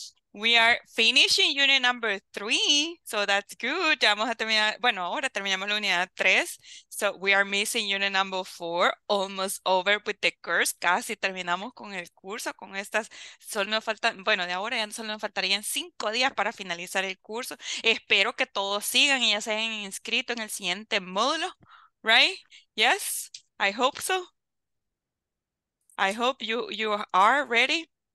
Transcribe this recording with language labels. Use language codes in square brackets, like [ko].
[en] We are finishing unit number 3, so that's good. [es] Ya vamos a terminar, bueno, ahora terminamos la unidad 3. [en] So we are missing unit number 4, almost over with the course. [es] Casi terminamos con el curso, con estas. Solo nos faltan, bueno, de ahora ya solo nos faltarían 5 días para finalizar el curso. Espero que todos sigan y ya se hayan inscrito en el siguiente módulo, right? [en] Yes, I hope so. I hope you are ready.